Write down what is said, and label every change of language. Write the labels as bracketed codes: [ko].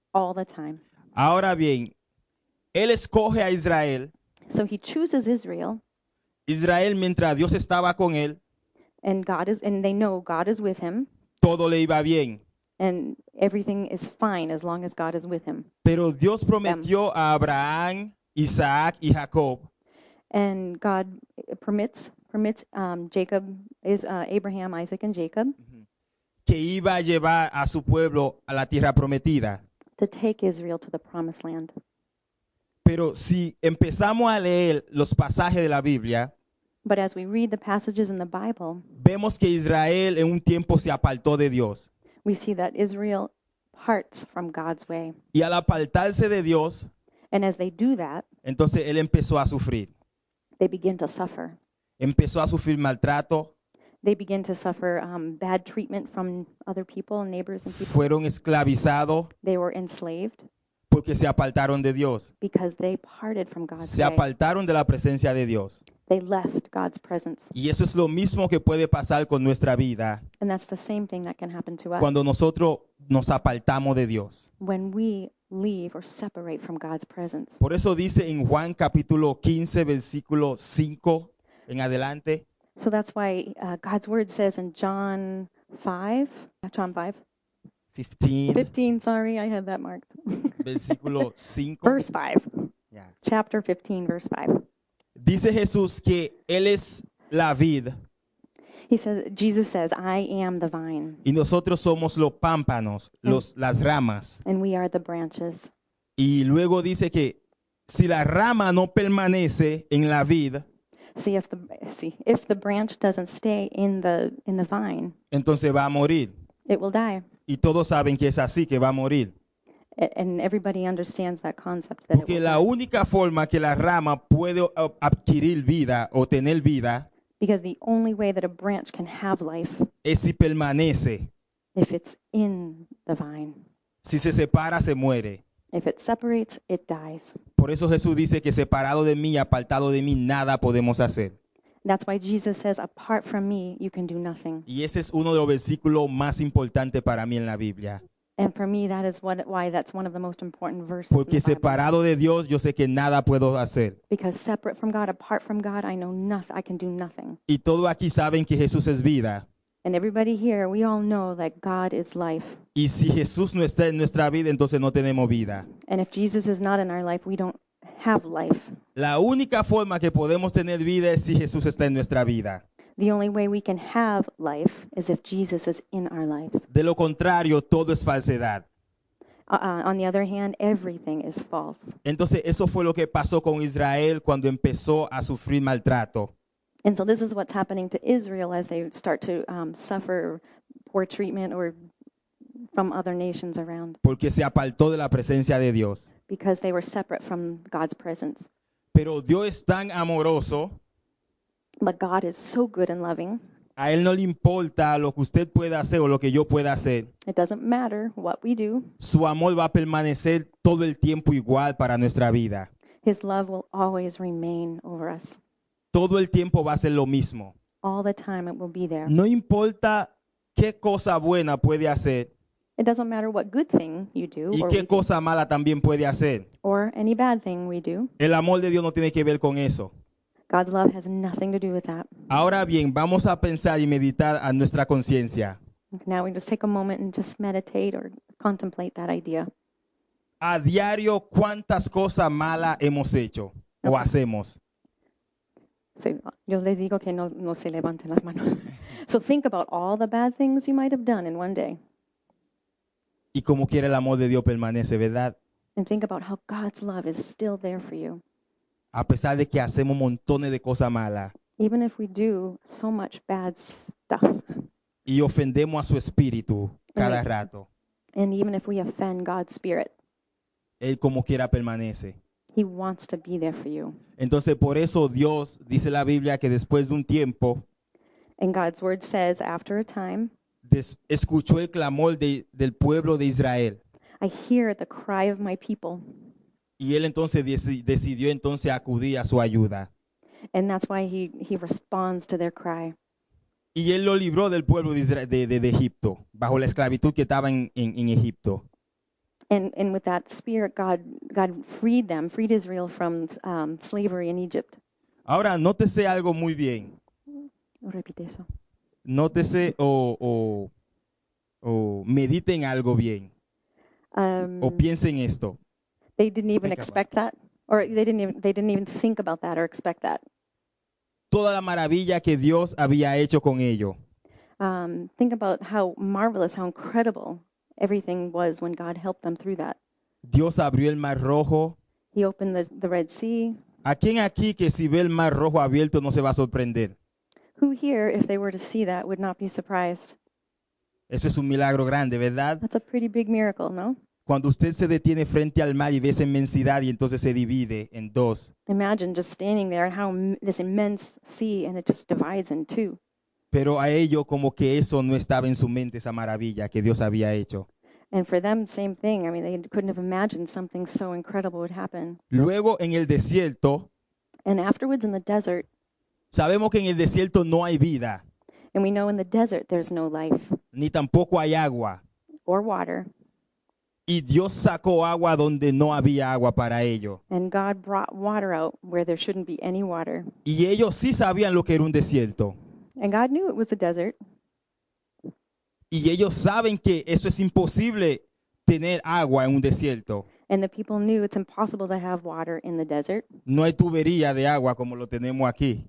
[en] All the time. [es] Ahora bien. Él escoge a Israel. [en] So he chooses Israel. [es] Israel, mientras Dios estaba con él. [en] And they know God is with him. [es] Todo le iba bien. [en] And everything is fine as long as God is with him. [es] Pero Dios prometió a Abraham, Isaac y Jacob. [en] And God permits Jacob, Abraham, Isaac and Jacob. [es] Que iba a llevar a su pueblo a la tierra prometida. [en] To take Israel to the promised land. [es] Pero si empezamos a leer los pasajes de la Biblia, [en] but as we read the passages in the Bible, [es] vemos que Israel en un tiempo se apartó de Dios. [en] We see that Israel parts from God's way. [es] Y al apartarse de Dios, [en] and as they do that, [es] entonces él empezó a sufrir. [en] They begin to suffer. [es] Empezó a sufrir maltrato. [en] They begin to suffer bad treatment from other people, neighbors and people. [es] Fueron esclavizados. [en] They were enslaved. [es] Porque se apartaron de Dios. [en] Because they parted from God's [es] se apartaron [en] way. [es] De la presencia de Dios. [en] They left God's presence. [es] Y eso es lo mismo que puede pasar con nuestra vida. [en] And that's the same thing that can happen to us. [es] Cuando nosotros nos apartamos de Dios. [en] When we leave or separate from God's presence. [es] Por eso dice en Juan capítulo 15, versículo 5 en adelante. [en] So that's why God's word says in John 5. John 5. 15, sorry, I had that marked. [es] Versículo 5. [en] Verse 5. Yeah. Chapter 15, verse 5. [es] Dice Jesús que él es la vid. [en] He says, Jesus says, I am the vine. [es] Y nosotros somos los pámpanos, las ramas. [en] And we are the branches. [es] Y luego dice que si la rama no permanece en la vid. [en] If the branch doesn't stay in the vine. [es] Entonces va a morir. [en] It will die. [es] Y todos saben que es así, que va a morir. [en] And everybody understands that concept. [es] Porque la única forma que la rama puede adquirir vida o tener vida. [en] Because the only way that a branch can have life. [es] Es si permanece. [en] If it's in the vine. [es] Si se separa, se muere. [en] If it separates, it dies. [es] Por eso Jesús dice que separado de mí, apartado de mí, nada podemos hacer. [en] That's why Jesus says, apart from me, you can do nothing. [es] Y ese es uno de los versículos más importantes para mí en la Biblia. [en] And for me, that is why that's one of the most important verses. [es] Porque separado de Dios, yo sé que nada puedo hacer. [en] Because separate from God, apart from God, I know nothing. I can do nothing. [es] Y todos aquí saben que Jesús es vida. [en] And everybody here, we all know that God is life. [es] Y si Jesús no está en nuestra vida, entonces no tenemos vida. [en] And if Jesus is not in our life, we don't have life. [es] La única forma que podemos tener vida es si Jesús está en nuestra vida. [en] The only way we can have life is if Jesus is in our lives. [es] De lo contrario, todo es falsedad. [en] On the other hand, everything is false. [es] Entonces, eso fue lo que pasó con Israel cuando empezó a sufrir maltrato. [en] And so this is what's happening to Israel as they start to suffer poor treatment or from other nations around. [es] Porque se apartó de la presencia de Dios. [en] Because they were separate from God's presence. [es] Pero Dios es tan amoroso. [en] But God is so good and loving. [es] A él no le importa lo que usted pueda hacer o lo que yo pueda hacer. [en] It doesn't matter what we do. [es] Su amor va a permanecer todo el tiempo igual para nuestra vida. [en] His love will always remain over us. [es] Todo el tiempo va a ser lo mismo. [en] All the time it will be there. [es] No importa qué cosa buena puede hacer. [en] It doesn't matter what good thing you do. [es] Y qué cosa mala también puede hacer. [en] Or any bad thing we do. [es] El amor de Dios no tiene que ver con eso. [en] God's love has nothing to do with that. [es] Ahora bien, vamos a pensar y meditar a nuestra conciencia. [en] Now we just take a moment and just meditate or contemplate that idea. [es] A diario, ¿cuántas cosas malas hemos hecho o hacemos? So, yo les digo que no se levanten las manos. [en] So think about all the bad things you might have done in one day. [es] Y como quiere el amor de Dios permanece, ¿verdad? [en] And think about how God's love is still there for you. [es] A pesar de que hacemos montones de cosas malas. [en] Even if we do so much bad stuff. [es] Y ofendemos a su espíritu cada rato. [en] And even if we offend God's spirit. [es] Él como quiera permanece. [en] He wants to be there for you. [es] Entonces, por eso Dios dice la Biblia que después de un tiempo. [en] And God's word says, after a time. [es] Escuchó el clamor del pueblo de Israel. [en] I hear the cry of my people. [es] Y él entonces decidió entonces acudir a su ayuda. [en] And that's why he responds to their cry. [es] Y él lo libró del pueblo de Egipto, bajo la esclavitud que estaba en Egipto. [en] And with that spirit, God freed Israel from slavery in Egypt. [es] Ahora, nótese algo muy bien. Repite eso. Nótese o medite en algo bien. O piense en esto. [en] They didn't even expect that, or they didn't even think about that or expect that. [es] Toda la maravilla que Dios había hecho con ello. [en] Think about how marvelous, how incredible everything was when God helped them through that. [es] Dios abrió el Mar Rojo. [en] He opened the Red Sea. [es] ¿A quién aquí que si ve el Mar Rojo abierto no se va a sorprender? [en] Who here, if they were to see that, would not be surprised? [es] Eso es un milagro grande, ¿verdad? [en] That's a pretty big miracle, no? [es] Cuando usted se detiene frente al mar y ve esa inmensidad y entonces se divide en dos. [en] Imagine just standing there, how this immense sea and it just divides in two. [es] Pero a ellos como que eso no estaba en su mente, esa maravilla que Dios había hecho. [en] And for them, same thing. I mean, they couldn't have imagined something so incredible would happen. [es] Luego en el desierto. [en] And afterwards in the desert. [es] Sabemos que en el desierto no hay vida. [en] And we know in the desert there's no life. [es] Ni tampoco hay agua. [en] Or water. [es] Y Dios sacó agua donde no había agua para ello. [en] And God brought water out where there shouldn't be any water. [es] Y ellos sí sabían lo que era un desierto. [en] And God knew it was a desert. [es] Y ellos saben que eso es imposible tener agua en un desierto. [en] And the people knew it's impossible to have water in the desert. [es] No hay tubería de agua como lo tenemos aquí.